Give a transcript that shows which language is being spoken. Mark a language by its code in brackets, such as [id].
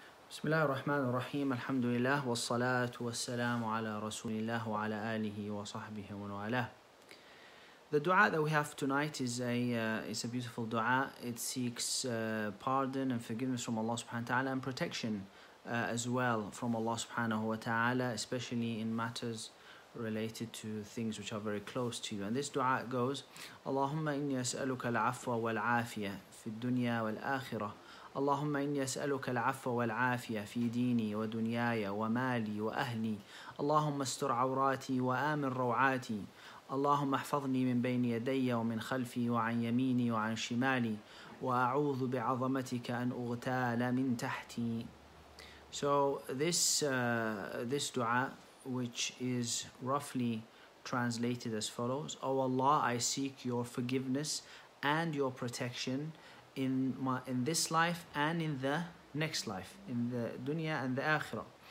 [ar] بسم الله الرحمن الرحيم الحمد لله والصلاة والسلام على رسول الله وعلى آله وصحبه ومن والاه. [en] The du'a that we have tonight is a beautiful du'a. It seeks pardon and forgiveness from Allah subhanahu wa ta'ala and protection as well from Allah subhanahu wa ta'ala, especially in matters related to things which are very close to you. And this du'a goes, [ar] Allahumma inni as'aluka al-afwa wal-afiyah fi al-dunya wal-akhirah. اللهم إني أسألك العفو والعافية في ديني ودنياي ومالي وأهلي اللهم استر عوراتي وآمن روعاتي اللهم احفظني من بين يدي ومن خلفي وعن يميني وعن شمالي وأعوذ بعظمتك أن أغتال من تحتي. [en] So this dua, which is roughly translated as follows: O Allah, I seek your forgiveness and your protection in this life and in the next life, in the dunya and the akhirah.